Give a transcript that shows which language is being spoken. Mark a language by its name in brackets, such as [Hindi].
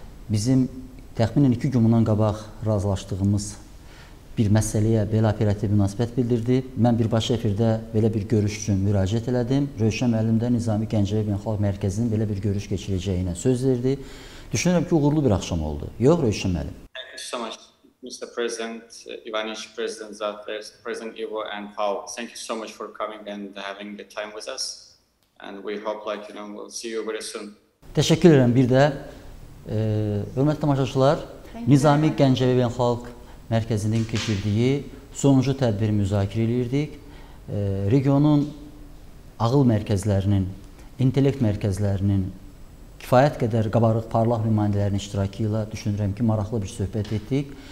[Azerbaijani] Bizim təxminən 2 gün bundan qabaq razılaşdığımız bir məsələyə belə operativ münasibət bildirdi. Mən birbaşa efirdə belə bir görüş üçün müraciət elədim. Rövşən müəllimdə Nizami Gəncəvi Xalq Mərkəzinin belə bir görüş keçirəcəyinə söz verdi. Düşünürəm ki, uğurlu bir axşam oldu. Yox, Rövşən müəllim? [English] Mr. President Ivanich, President Zafer, President Ivo, and Paul, thank you so much for coming and having the time with us. And we hope, like you know, we'll see you very soon. [Turkish] Teşekkür ederim. [Azerbaijani] Bir de hürmetli tamaşaçılar, Nizami Gəncəvi Beynəlxalq Mərkəzinin keçirdiyi sonuncu tədbiri müzakirə edirdik. Regionun ağıl mərkəzlərinin, intellekt mərkəzlərinin kifayət qədər qabarıq, parlaq nümayəndələrinin iştirakı ilə düşünürəm ki, maraqlı bir söhbət etdik.